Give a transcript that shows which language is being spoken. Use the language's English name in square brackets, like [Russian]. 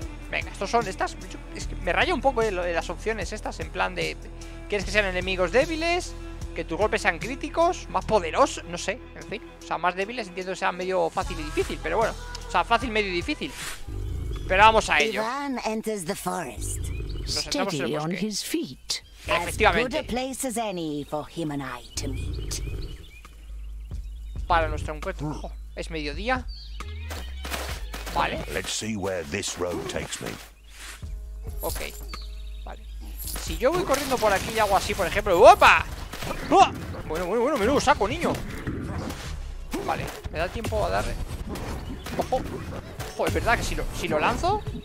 [Spanish] Venga, estos son estas. Es que me raya un poco las opciones estas. En plan de... ¿Quieres que sean enemigos débiles? Que tus golpes sean críticos, más poderosos, no sé, en fin. O sea, más débiles, entiendo que sean medio fácil y difícil, pero bueno. O sea, fácil, medio y difícil. Pero vamos a ello. [English] Ivan enters the forest, steady on his feet. [Spanish] Efectivamente. [English] As good a place as any for him and I to meet. [Spanish] Para nuestro encuentro. Oh, es mediodía. Vale. [English] Let's see where this road takes me. [Spanish] Ok. Vale. Si yo voy corriendo por aquí y hago así, por ejemplo. ¡Opa! Bueno, bueno, bueno, menudo saco, niño. Vale, me da tiempo a darle. Ojo. Ojo, es verdad que si lo lanzo.